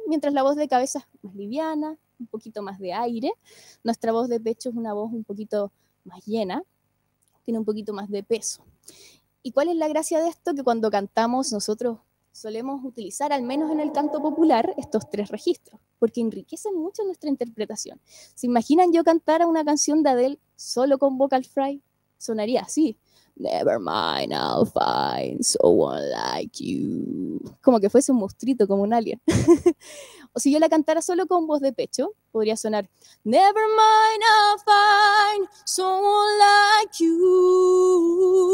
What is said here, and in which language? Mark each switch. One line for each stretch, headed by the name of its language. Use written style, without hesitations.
Spanish: Mientras la voz de cabeza es más liviana, un poquito más de aire, nuestra voz de pecho es una voz un poquito más llena, tiene un poquito más de peso. ¿Y cuál es la gracia de esto? Que cuando cantamos nosotros solemos utilizar, al menos en el canto popular, estos tres registros, porque enriquecen mucho nuestra interpretación. ¿Se imaginan yo cantar una canción de Adele solo con vocal fry? Sonaría así.
English: Never mind, I'll find someone like you.
Spanish: Como que fuese un monstruito, como un alien. O si yo la cantara solo con voz de pecho, podría sonar
English: Never mind, I'll find someone like you.